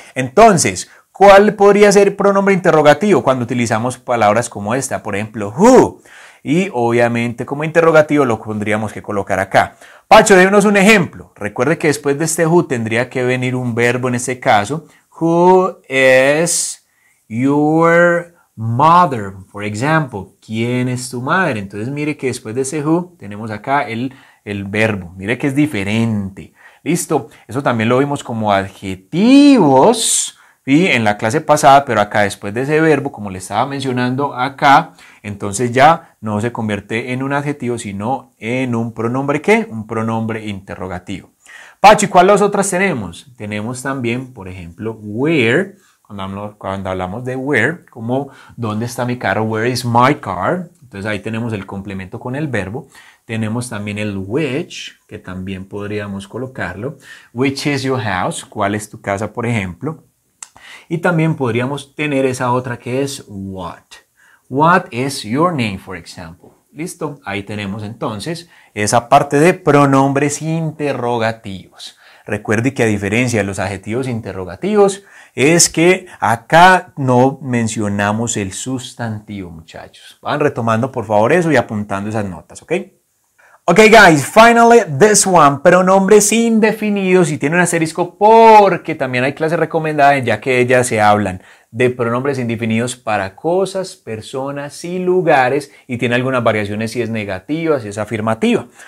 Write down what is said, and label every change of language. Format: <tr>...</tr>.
<es>Entonces, ¿cuál podría ser pronombre interrogativo cuando utilizamos palabras como esta? Por ejemplo, who. Y obviamente como interrogativo lo tendríamos que colocar acá. Pacho, démonos un ejemplo. Recuerde que después de este who tendría que venir un verbo en este caso.</es> <en>Who is your mother, for example?</en> <es>¿Quién es tu madre? Entonces mire que después de ese who tenemos acá el verbo. Mire que es diferente. Listo. Eso también lo vimos como adjetivos, ¿sí?, en la clase pasada, pero acá después de ese verbo, como le estaba mencionando acá, entonces ya no se convierte en un adjetivo, sino en un pronombre ¿qué? Un pronombre interrogativo. Pachi, ¿cuáles otras tenemos? Tenemos también, por ejemplo, where, cuando hablamos de where, como ¿dónde está mi carro?</es> <en>Where is my car?</en> <es>Entonces ahí tenemos el complemento con el verbo. Tenemos también el which, que también podríamos colocarlo.</es> <en>Which is your house?</en> <es>¿Cuál es tu casa, por ejemplo? Y también podríamos tener esa otra que es what.</es> <en>What is your name, for example?</en> <es>Listo, ahí tenemos entonces esa parte de pronombres interrogativos. Recuerde que a diferencia de los adjetivos interrogativos, es que acá no mencionamos el sustantivo, muchachos. Van retomando por favor eso y apuntando esas notas, ¿ok?</es> <en>Ok, guys, finally, this one,</en> <es>pronombres indefinidos, y tiene un asterisco porque también hay clases recomendadas, ya que ellas se hablan de pronombres indefinidos para cosas, personas y lugares, y tiene algunas variaciones si es negativa, si es afirmativa.</es>